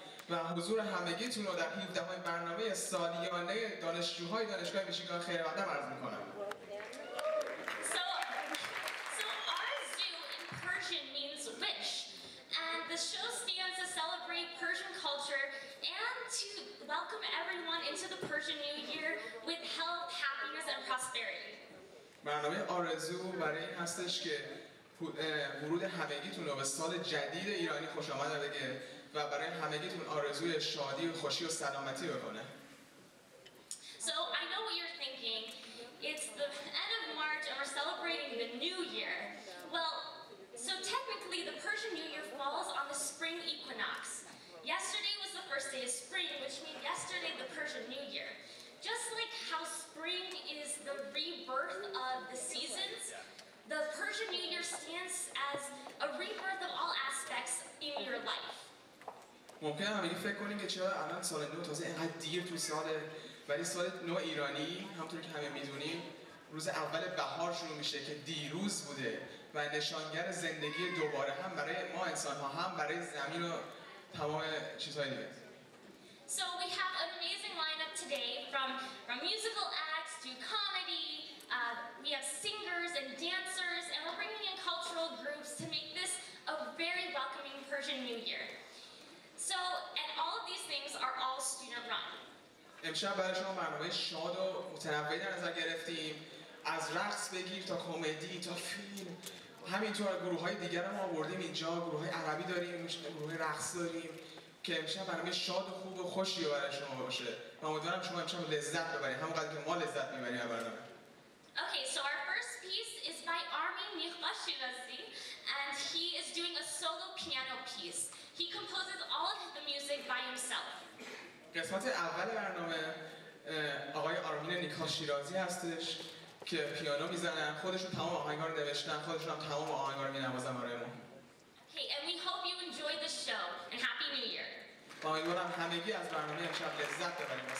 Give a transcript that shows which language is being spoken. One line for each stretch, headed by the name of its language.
Persian: و حضور همگیتون رو در 17 برنامه سالیانه دانشجوهای دانشگاه میشیگان خیر مقدم عرض میکنم.
English: So Arzu in Persian means wish, and the show stands to celebrate Persian culture and to welcome everyone into the Persian New Year with health, happiness and prosperity. برنامه آرزو برای این هستش که ورود همگیتون رو به سال جدید ایرانی خوش آمد بگه و برای همگیتون آرزوی شادی و خوشی و سلامتی بکنه. So I know what you're thinking. It's the end of March and we're celebrating the new year. Well, so technically the Persian New Year falls on the spring equinox. Yesterday was the first day of spring, which means yesterday the Persian New Year. Just like how spring is the rebirth of the seasons, the Persian New Year stands as a rebirth of all aspects in your life.
Persian: ممکنه همگی فکر کنیم که چرا الان سال نو تازه اینقدر دیر تو ساله، ولی سال نو ایرانی همونطور که همه میدونیم روز اول بهار شروع میشه که دیروز بوده و نشانگر زندگی دوباره هم برای ما انسان ها هم برای زمین و تمام چیزهای دیگه.
English: So we have an amazing lineup today from musical acts to comedy. We have singers and dancers and we're bringing in cultural groups to make this a very welcoming Persian New Year. So, and all of these things are all student run.
Persian: امشب برای شما برنامه شاد و متنوعی در نظر گرفتیم. از رقص بگیر تا کمدی تا فیلم. همینطور گروه‌های دیگر هم آوردیم اینجا. گروه‌های عربی داریم، گروه‌های رقص داریم. که امشب برنامه شاد و خوب و خوشی برای شما باشه. و امیدوارم شما امشب لذت ببرید. همونقدر که ما لذت می‌بریم از برنامه.
English: Okay, so our first piece is by Armin Mikhashinazi, and he is doing a solo piano piece. He composes all of the music by himself.
Persian: قسمت اول برنامه آقای آرمین نیکاشیرازی هستش که پیانو میزنن، خودشون تمام آهنگا رو نوشتن، خودشون هم تمام آهنگا رو مینوازن برای ما.
English: Okay, and we hope you enjoy the show and happy new year.
Persian: امیدوارم همگی از برنامه امشب لذت ببرید.